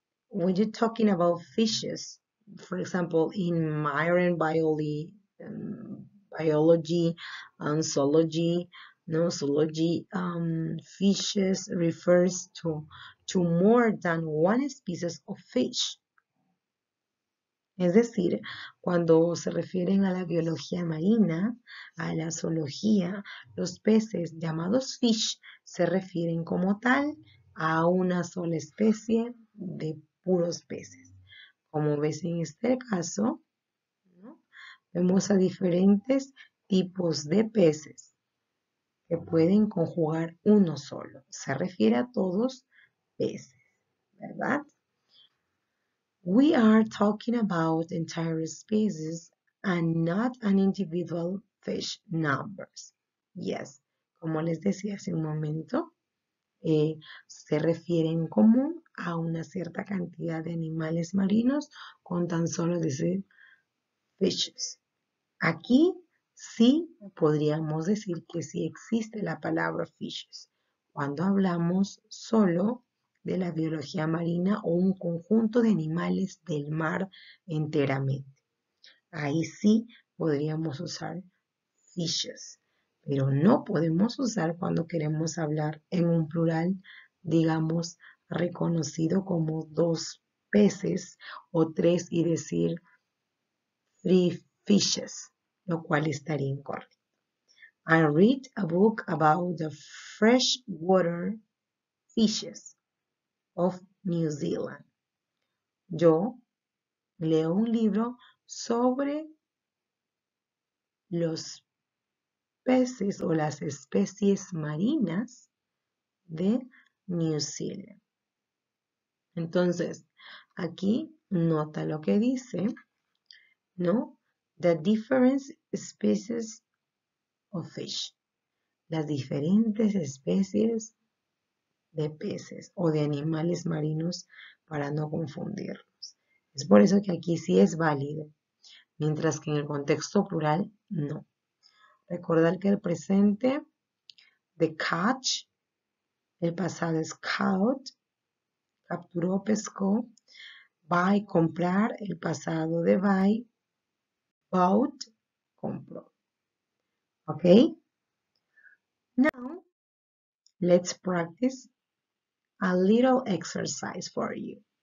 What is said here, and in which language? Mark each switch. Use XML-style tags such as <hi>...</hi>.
<en>When you're talking about fishes, for example, in marine biology, biology, and zoology, no zoology, fishes refers to more than one species of fish.</en> <es>Es decir, cuando se refieren a la biología marina, a la zoología, los peces llamados fish se refieren como tal a una sola especie de puros peces. Como ves en este caso, vemos a diferentes tipos de peces. que pueden conjugar uno solo. Se refiere a todos veces, ¿verdad?</es> <en>We are talking about entire species and not an individual fish numbers. Yes,</en> <es>como les decía hace un momento, se refiere en común a una cierta cantidad de animales marinos con tan solo decir fishes. Aquí sí podríamos decir que sí existe la palabra fishes cuando hablamos solo de la biología marina o un conjunto de animales del mar enteramente. Ahí sí podríamos usar fishes, pero no podemos usar cuando queremos hablar en un plural, digamos, reconocido como dos peces o tres y decir</es> <en>three fishes,</en> <es>lo cual estaría incorrecto.</es> <en>I read a book about the freshwater fishes of New Zealand.</en> <es>Yo leo un libro sobre los peces o las especies marinas de New Zealand. Entonces, aquí nota lo que dice, ¿no?</es> <en>The different species of fish.</en> <es>Las diferentes especies de peces o de animales marinos para no confundirnos. Es por eso que aquí sí es válido, mientras que en el contexto plural no. Recordar que el presente de catch, el pasado es caught, capturó, pescó, buy, comprar, el pasado de buy, bought, compró. ¿Ok?</es> <en>Now, let's practice a little exercise for you.</en>